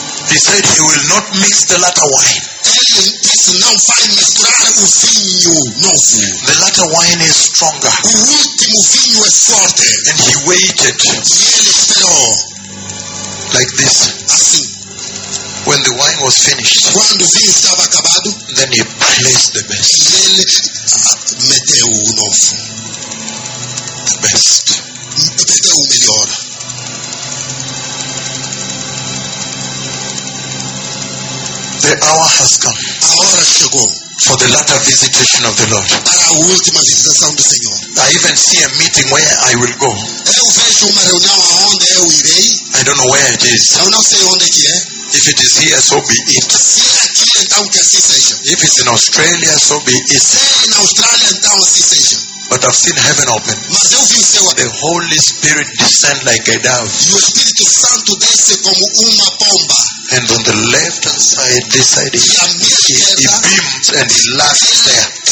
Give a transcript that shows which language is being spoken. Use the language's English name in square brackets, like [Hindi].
[English] He said he will not mix the latter wine. [Portuguese] Ele disse não vai misturar o vinho novo. [English] The latter wine is stronger. [Portuguese] O último vinho é forte. [English] And he waited. [Portuguese] E ele esperou. [English] Like this. [Portuguese] Assim. [English] When the wine was finished, [Portuguese] quando o vinho estava acabado, [English] then he placed the best. [Portuguese] E ele meteu o novo. [English] The best. [Portuguese] Meteu o melhor. [English] The hour has come. [Portuguese] A hora chegou. [English] For the latter visitation of the Lord. [Portuguese] Para a última visitação do Senhor. [English] I even see a meeting where I will go. [Portuguese] Eu vejo uma reunião aonde eu irei. [English] I don't know where it is. [Portuguese] Eu não sei onde que é. [English] If it is here, so be it. [Portuguese] Se é aqui, então, que assim seja. [English] If it's in Australia, so be it. [Portuguese] Se é na Austrália, então, assim seja. [English] But I've seen heaven open. [Portuguese] Mas eu vi o céu. [English] The Holy Spirit descend like a dove. [Portuguese] E o Espírito Santo desce como uma pomba. [English] And on the left hand side, this side, he beams and he lasts there.